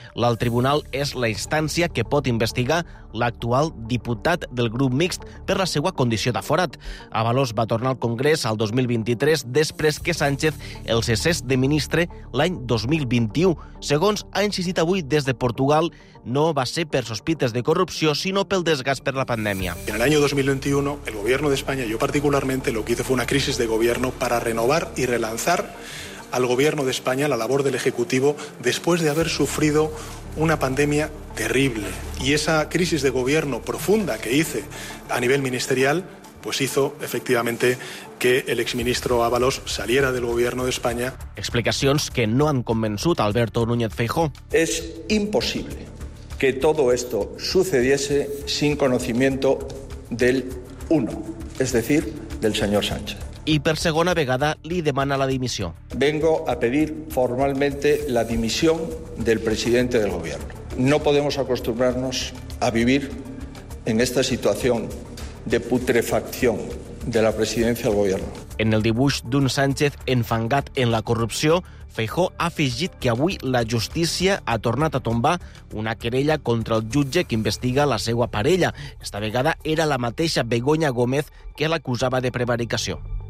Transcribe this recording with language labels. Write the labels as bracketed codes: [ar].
[ca] El tribunal és la instància que pot investigar l'actual diputat del grup mixt per la seva condició d'aforat. Ábalos va tornar al Congrés el 2023 després que Sánchez el cessés de ministre l'any 2021. Segons ha insistit avui des de Portugal, no va ser per sospites de corrupció, sinó pel desgast per la pandèmia. [es] En el año 2021, el gobierno de España, yo particularmente, lo que hice fue una crisis de gobierno para renovar y relanzar al gobierno de España la labor del Ejecutivo después de haber sufrido una pandemia terrible. Y esa crisis de gobierno profunda que hice a nivel ministerial, pues hizo, efectivamente, que el exministro Ábalos saliera del gobierno de España. [ca] Explicacions que no han convençut Alberto Núñez Feijóo. [es] Es imposible que todo esto sucediese sin conocimiento del uno, es decir, del señor Sánchez. [ca] Y per segona vegada li demana la dimissió. [es] Vengo a pedir formalmente la dimisión del presidente del gobierno. No podemos acostumbrarnos a vivir en esta situación de putrefacción de la presidencia del gobierno. [ca] En el dibuix d'un Sánchez enfangat en la corrupció, Feijóo ha afegit que avui la justícia ha tornat a tombar una querella contra el jutge que investiga la seva parella. Esta vegada era la mateixa Begoña Gómez que l'acusava de prevaricació.